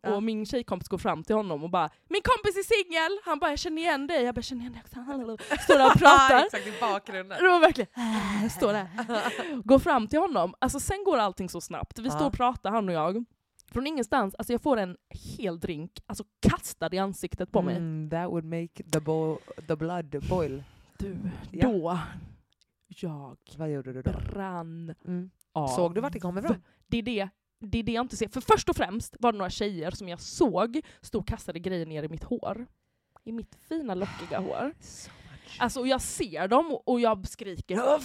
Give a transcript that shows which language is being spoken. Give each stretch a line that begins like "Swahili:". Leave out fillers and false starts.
Swedish: Ja. Och min tjejkompis går fram till honom och bara, min kompis är singel. Han bara, jag känner igen dig. Jag bara, känner igen dig också. Står där och pratar. Exakt, i bakgrunden. Det var verkligen, står där. Går fram till honom. Alltså sen går allting så snabbt. Vi står och pratar, han och jag. Från ingenstans, alltså jag får en hel drink, alltså kastad i ansiktet på mig.
English: That would make the blood boil.
Swedish: Du, då jag vad gjorde du då? Brann av. Såg du vart det kom ifrån? Det är det jag inte ser. För först och främst var det några tjejer som jag såg stå och kastade grejer ner i mitt hår. I mitt fina lockiga hår. Alltså och jag ser dem och jag skriker